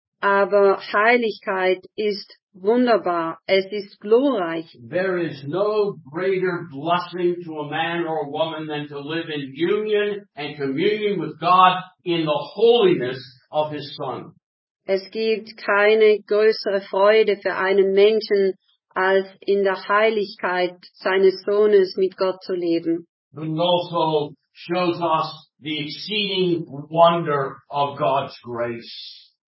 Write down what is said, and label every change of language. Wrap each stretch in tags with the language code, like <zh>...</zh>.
<de>Aber Heiligkeit ist wunderbar, es ist glorreich.</de> <en>There is no greater blessing to a man or a woman than to live in union and communion with God in the holiness of his Son.</en> <de>Es gibt keine größere Freude für einen Menschen, als in der Heiligkeit seines Sohnes mit Gott zu leben.</de> <en>It also shows us the exceeding wonder of God's grace.</en>